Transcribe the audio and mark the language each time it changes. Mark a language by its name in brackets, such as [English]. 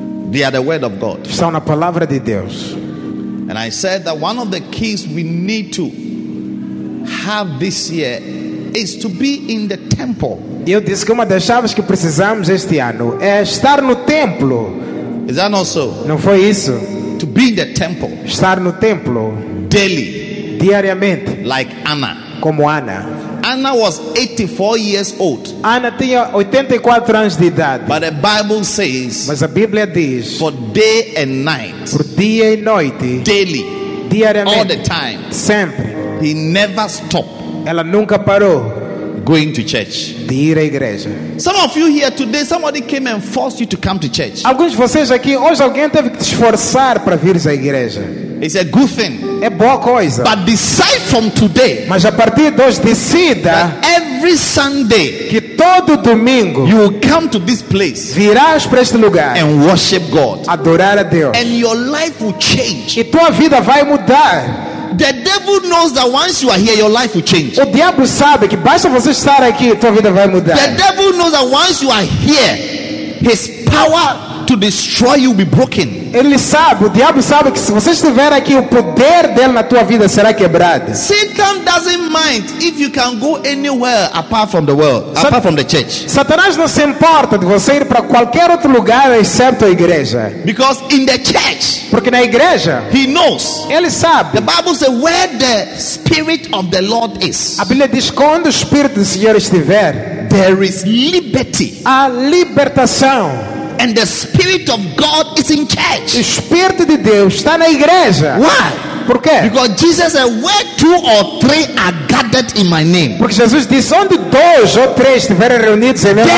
[English] They are the word of God. [Portuguese] Estão na palavra de Deus. [English] And I said that one of the keys we need to have this year is to be in the temple. [Portuguese] E eu disse que uma das chaves que precisamos este ano é estar no templo. [English] Is that not so? [Portuguese] Não foi isso? [English] To be in the temple. [Portuguese] Estar no templo. [English] Daily. [Portuguese] Diariamente. [English] Like Anna. [Portuguese] Como Anna. [English] Anna was 84 years old. [Portuguese] Anna tinha 84 anos de idade. [English] But the Bible says. [Portuguese] Mas a Bíblia diz. [English] For day and night. [Portuguese] Por dia e noite. [English] Daily. [Portuguese] Diariamente. [English] All the time. [Portuguese] Sempre. [English] He never stopped. [Portuguese] Ela nunca parou. [English] Going to church. [Portuguese] De ir à igreja. [English] Some of you here today, somebody came and forced you to come to church. [Portuguese] Alguns de vocês aqui hoje, alguém teve que te esforçar para vir à igreja. [English] It's a good thing. [Portuguese] É boa coisa. [English] But decide from today. [Portuguese] Mas a partir de hoje, decida. [English] Every Sunday. [Portuguese] Que todo domingo. [English] You will come to this place. [Portuguese] Virás para este lugar. [English] And worship God. [Portuguese] Adorar a Deus. [English] And your life will change. [Portuguese] E tua vida vai mudar. [English] The devil knows that once you are here, your life will change. [Portuguese] O diabo sabe que basta você estar aqui, tua vida vai mudar. [English] The devil knows that once you are here, his power to destroy you will be broken. [Portuguese] Ele sabe, o diabo sabe que se você estiver aqui, o poder dele na tua vida será quebrado. [English] Satan doesn't mind if you can go anywhere apart from the world, apart from the church. [Portuguese] Satanás não se importa de você ir para qualquer outro lugar exceto a igreja. [English] Because in the church, [Portuguese] porque na igreja, [English] he knows. [Portuguese] Ele sabe. [English] The Bible says where the spirit of the Lord is. [Portuguese] A Bíblia diz quando o espírito do Senhor estiver, [English] there is liberty. [Portuguese] Há libertação. [English] And the Spirit of God is in church. [Portuguese] O Espírito de Deus está na igreja. [English] Why? [Portuguese] Por quê? [English] Because Jesus said, "Where two or three are gathered in my name." [Portuguese] Porque Jesus disse, onde dois ou três estiverem reunidos em meu nome.